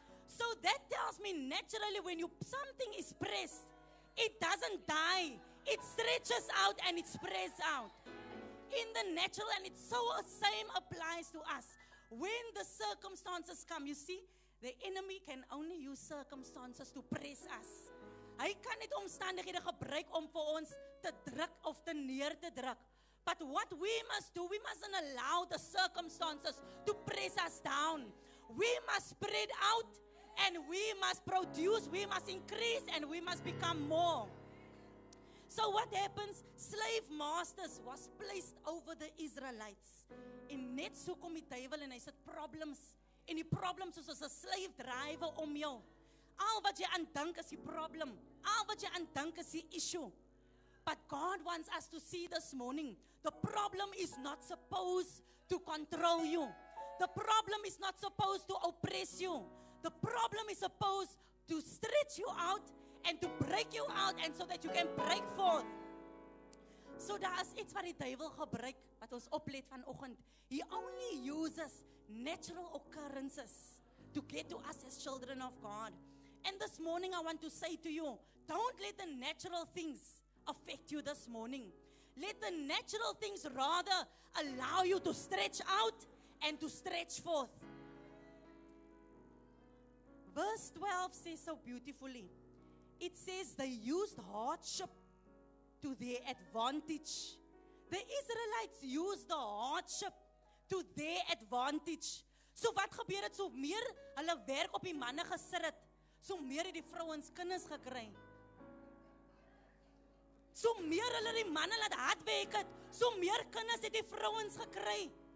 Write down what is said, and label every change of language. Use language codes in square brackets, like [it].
[en] So that tells me naturally when you something is pressed, it doesn't die. It stretches out and it spreads out. In the natural, and it's so the same applies to us. When the circumstances come, you see, the enemy can only use circumstances to press us. [af] Hy kan net omstandighede gebruik om vir ons te druk of te neer te druk. [en] But what we must do, we mustn't allow the circumstances to press us down. We must spread out and we must produce, we must increase and we must become more. So what happens? Slave masters was placed over the Israelites. [af] En net so kom die duivel en hy sit problems. En die problems is soos 'n slaaf drywer om jou. Al wat jy aan dink is die problem. Al wat jy aan dink is die issue. [en] But God wants us to see this morning, the problem is not supposed to control you. The problem is not supposed to oppress you. The problem is supposed to stretch you out and to break you out and so that you can break forth. [af] So daar is iets wat die duivel gebruik, wat ons oplet vanoggend. [en] He only uses natural occurrences to get to us as children of God. And this morning I want to say to you, don't let the natural things affect you this morning. Let the natural things rather allow you to stretch out and to stretch forth. Verse 12 says so beautifully. It says they used hardship to their advantage. The Israelites used the hardship to their advantage. [af] So wat gebeur het, so meer hulle werk op die manne gesit het, so meer het die vrouens kinders gekry. So meer hulle die manne laat hard werk het, so meer kinders het die vrouens gekry.